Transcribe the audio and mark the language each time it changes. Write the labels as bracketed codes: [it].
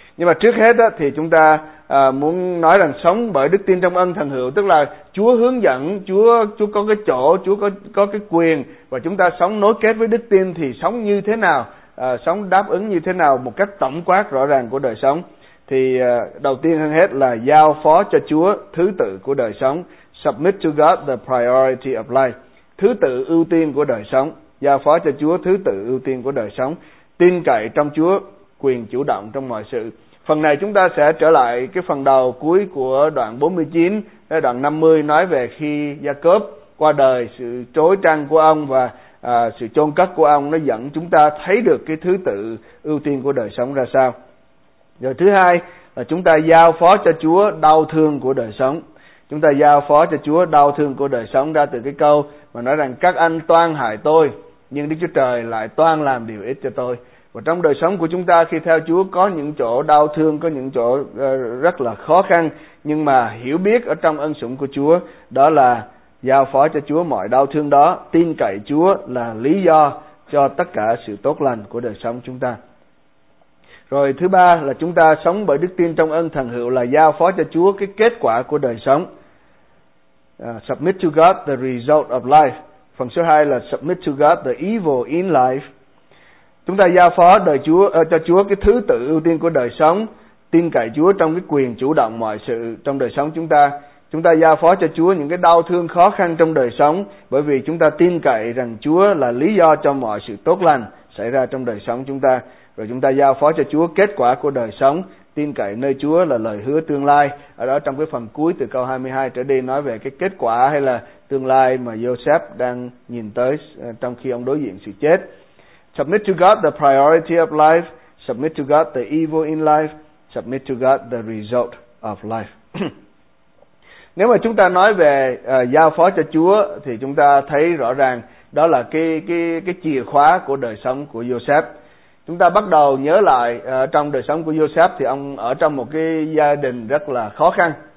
[vi] Nhưng mà trước hết thì chúng ta muốn nói rằng sống bởi đức tin trong ân thần hữu, tức là Chúa hướng dẫn, Chúa có cái chỗ, Chúa có cái quyền, và chúng ta sống nối kết với đức tin thì sống như thế nào, sống đáp ứng như thế nào, một cách tổng quát rõ ràng của đời sống. Thì đầu tiên hơn hết là giao phó cho Chúa thứ tự của đời sống. [en] Submit to God the priority of life. [vi] Thứ tự ưu tiên của đời sống. Giao phó cho Chúa thứ tự ưu tiên của đời sống. Tin cậy trong Chúa, quyền chủ động trong mọi sự. Phần này chúng ta sẽ trở lại cái phần đầu cuối của đoạn 49, đoạn 50, nói về khi Gia-cốp qua đời, sự trối trăng của ông và sự chôn cất của ông, nó dẫn chúng ta thấy được cái thứ tự ưu tiên của đời sống ra sao. Rồi thứ hai là chúng ta giao phó cho Chúa đau thương của đời sống. Chúng ta giao phó cho Chúa đau thương của đời sống, ra từ cái câu mà nói rằng các anh toan hại tôi, nhưng Đức Chúa Trời lại toan làm điều ích cho tôi. Và trong đời sống của chúng ta khi theo Chúa có những chỗ đau thương, có những chỗ rất là khó khăn, nhưng mà hiểu biết ở trong ân sủng của Chúa, đó là giao phó cho Chúa mọi đau thương đó, tin cậy Chúa là lý do cho tất cả sự tốt lành của đời sống chúng ta. Rồi thứ ba là chúng ta sống bởi đức tin trong ân thần hiệu là giao phó cho Chúa cái kết quả của đời sống. [en] Submit to God the result of life. [vi] Phần số 2 là [en] submit to God the evil in life. [vi] Chúng ta giao phó đời Chúa cho Chúa cái thứ tự ưu tiên của đời sống, tin cậy Chúa trong cái quyền chủ động mọi sự trong đời sống chúng ta. Chúng ta giao phó cho Chúa những cái đau thương khó khăn trong đời sống, bởi vì chúng ta tin cậy rằng Chúa là lý do cho mọi sự tốt lành xảy ra trong đời sống chúng ta. Rồi chúng ta giao phó cho Chúa kết quả của đời sống, tin cậy nơi Chúa là lời hứa tương lai. Ở đó trong cái phần cuối từ câu 22 trở đi nói về cái kết quả hay là tương lai mà Joseph đang nhìn tới trong khi ông đối diện sự chết. [en] Submit to God the priority of life, submit to God the evil in life, submit to God the result of life. [vi] Nếu mà chúng ta nói về giao phó cho Chúa thì chúng ta thấy rõ ràng đó là cái chìa khóa của đời sống của Joseph. Chúng ta bắt đầu nhớ lại trong đời sống của Joseph thì ông ở trong một cái gia đình rất là khó khăn.